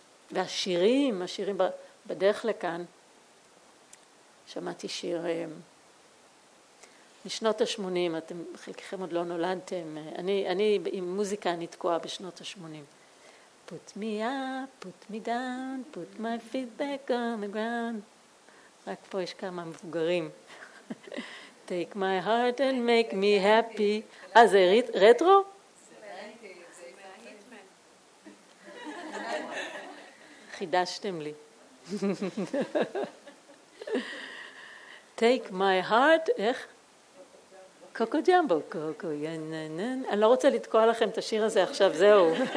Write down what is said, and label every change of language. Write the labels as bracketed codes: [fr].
[he] והשירים, השירים בדרך לכאן, שמעתי שיר משנות ה-80, אתם חלקכם עוד לא נולדתם, אני עם מוזיקה נתקועה בשנות ה-80. [en] Put me up, put me down, put my feet back on the ground. [he] רק פה יש כמה מבוגרים. [en] Take my heart and make me happy. [he] אה, זה רטרו? חידשתם לי. [en] Take my heart, [he] איך? קוקו ג'מבו, קוקו, יננן. אני לא רוצה לתקוע לכם את השיר הזה עכשיו, זהו.